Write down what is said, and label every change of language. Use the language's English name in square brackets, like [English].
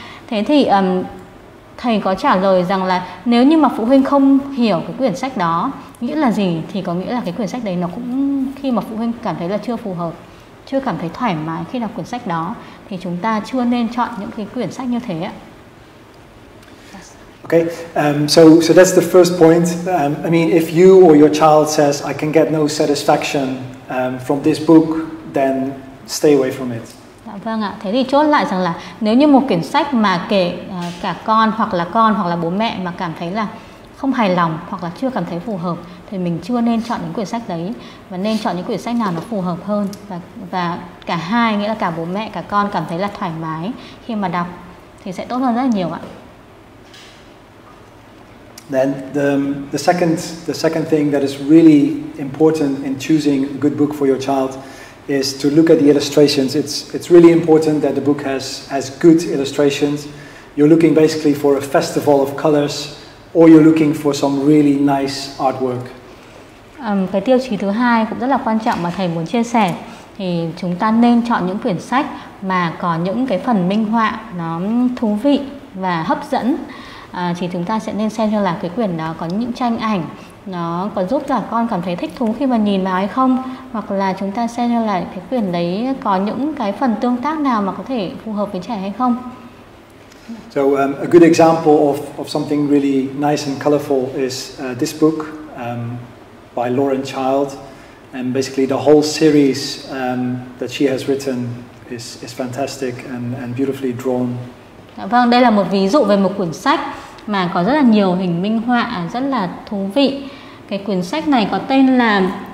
[Vietnamese] Thế thì thầy có trả lời rằng là nếu như mà phụ huynh không hiểu cái quyển sách đó nghĩa là gì, thì có nghĩa là cái quyển sách đấy nó cũng, khi mà phụ huynh cảm thấy là chưa phù hợp, chưa cảm thấy thoải mái khi đọc quyển sách đó, thì chúng ta chưa nên chọn những cái quyển sách như thế ạ. [English] Okay, so that's the first point. I mean, if you or your child says I can get no satisfaction from this book, then stay away from it. [Vietnamese] Dạ vâng ạ. Thế thì chốt lại rằng là nếu như một quyển sách mà kể cả con hoặc là bố mẹ mà cảm thấy là không hài lòng hoặc là chưa cảm thấy phù hợp, thì mình chưa nên chọn những quyển sách đấy, và nên chọn những quyển sách nào nó phù hợp hơn, và cả hai, nghĩa là cả bố mẹ cả con cảm thấy là thoải mái khi mà đọc thì sẽ tốt hơn rất là nhiều ạ. [English] Then the second thing that is really important in choosing a good book for your child is to look at the illustrations. It's really important that the book has good illustrations. You're looking basically for a festival of colors, or you're looking for some really nice artwork. [Vietnamese] Cái tiêu chí thứ hai cũng rất là quan trọng mà thầy muốn chia sẻ, thì chúng ta nên chọn những quyển sách mà có những cái phần minh họa nó thú vị và hấp dẫn. Thì chúng ta sẽ nên xem cho là cái quyển đó có những tranh ảnh nó có giúp cả con cảm thấy thích thú khi mà nhìn vào hay không, hoặc là chúng ta xem cho là cái quyển đấy có những cái phần tương tác nào mà có thể phù hợp với trẻ hay không. [English] So a good example of something really nice and colorful is this book by Lauren Child, and basically the whole series that she has written is fantastic and beautifully drawn. [Vietnamese] Dạ vâng, đây là một ví dụ về một quyển sách mà có rất là nhiều hình minh họa rất là thú vị. Cái quyển sách này có tên là